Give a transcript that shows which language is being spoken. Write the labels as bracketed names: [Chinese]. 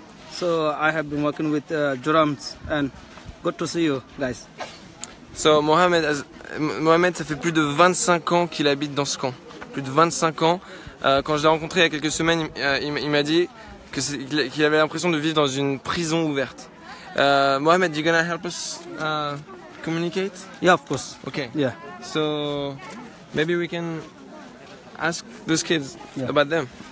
[English] So I have been working with Jurams and good to see you guys. [French] So Mohamed, ça fait plus de 25 ans qu'il habite dans ce camp. Plus de 25 ans. Quand je l'ai rencontré il y a quelques semaines, il m'a dit qu'il avait l'impression de vivre dans une prison ouverte. [English] Mohamed, you gonna help us communicate? Yeah, of course. Okay. Yeah. So maybe we can ask those kids about them.